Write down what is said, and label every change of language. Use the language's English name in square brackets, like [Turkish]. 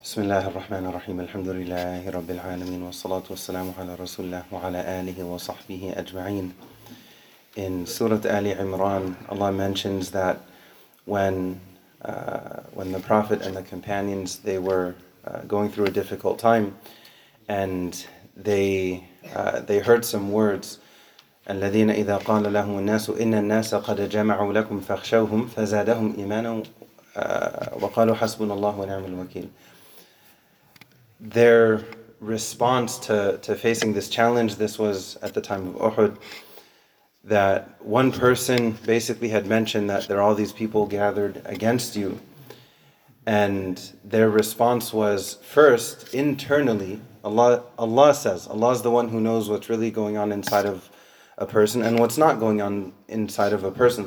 [Arabic] بسم الله الرحمن الرحيم الحمد لله رب العالمين والصلاة والسلام على رسول الله وعلى آله وصحبه أجمعين. [English] In Surah Ali Imran, Allah mentions that when the Prophet and the companions, they were going through a difficult time, and they heard some words. [Arabic] الذين إذا قال لهم الناس إن الناس قد جمعوا لكم فخشواهم فزادهم إيمانا وقالوا حسبنا الله ونعم الوكيل. [English] Their response to facing this challenge, this was at the time of Uhud, that one person basically had mentioned that there are all these people gathered against you. And their response was, first, internally, Allah says, Allah is the one who knows what's really going on inside of a person and what's not going on inside of a person.